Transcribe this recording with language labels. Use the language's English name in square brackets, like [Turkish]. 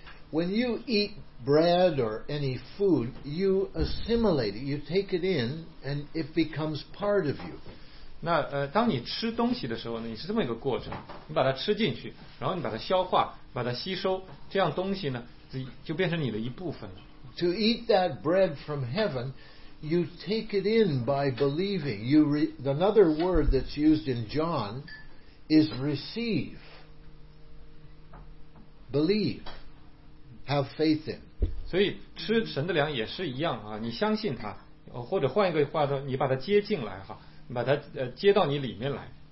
[English] When you eat bread or any food, you assimilate it, you take it in, and it becomes part of you. [Chinese] 那当你吃东西的时候呢，你是这么一个过程，你把它吃进去，然后你把它消化，把它吸收，这样东西呢，就变成你的一部分了。 [English] To eat that bread from heaven, you take it in by believing. Another word that's used in John is receive. Believe. Have faith in. [Chinese] 所以吃神的粮也是一样啊，你相信他，或者换一个话说，你把它接进来哈，把它接到你里面来。